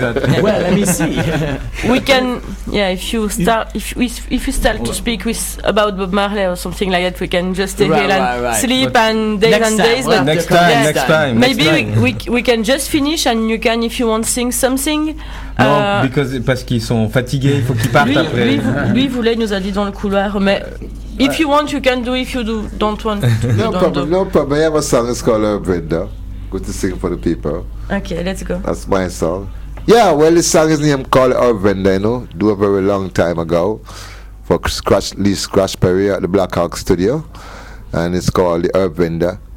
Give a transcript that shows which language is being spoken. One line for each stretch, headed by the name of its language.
English: Like that. Well, let me see. We can, yeah, if you start to speak with about Bob Marley or something like that, we can just stay here and sleep and days and days. But next time, next time. Maybe we can just finish and you can, if you want, sing something.
French: Parce qu'ils sont fatigués, il faut qu'ils partent après. Lui voulait, nous a dit dans le couloir, mais
English: if you want, you can do, if you don't want. No problem. I have a song, it's called Brenda. Good to sing for the people. Okay, let's go. That's my song. Yeah, well, this song is named called Urbanda, you know, do a very long time ago. For Lee Scratch Perry at the Black Hawk Studio, and it's called the Herb Vendor.